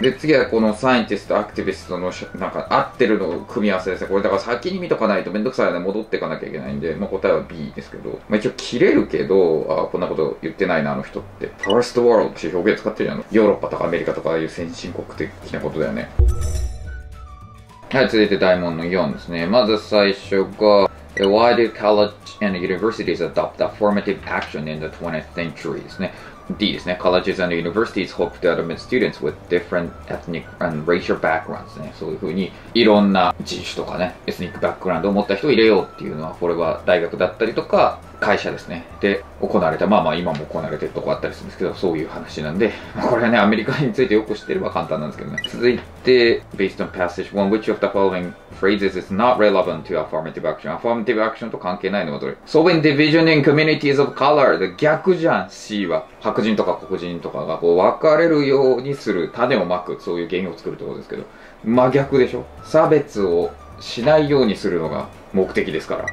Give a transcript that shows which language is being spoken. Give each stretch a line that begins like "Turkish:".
Japanese: で次はこのサイエンティストアクティビストのなんか合ってるの組み合わせですね、これだから先に見とかないとめんどくさいね、戻っていかなきゃいけないんで、まあ、答えは B ですけど、まあ、一応切れるけど、あこんなこと言ってないなあの人って、ファーストワールドって表現使ってるじゃん、ヨーロッパとかアメリカとかいう先進国的なことだよね。はい、続いて大問の4ですね。
English: まず最初が、Why do college and universities adopt affirmative action in the 20th century? ですね。
Japanese: D ですね。
English: Colleges and universities hope to admit students with different ethnic and racial backgrounds ね。
Japanese: そういうふうに、いろんな人種とかね、エスニックバックグラウンドを持った人を入れようっていうのは、これは大学だったりとか、会社ですね。で、行われた、まあまあ今も行われてるとこあったりするんですけど、そういう話なんで、これはね、アメリカについてよく知ってれば簡単なんですけどね。
English: 続いて、Based on passage 1, which of the following phrases is not relevant to affirmative action?
Japanese: Affirmative action と関係ないのはどれ?
English: Sovereign division in communities of color. 逆じゃん、C は。
Japanese: 白人とか黒人とかがこう分かれるようにする、種をまく、そういう原因を作るところですけど、真逆でしょ。差別をしないようにするのが、目的ですから。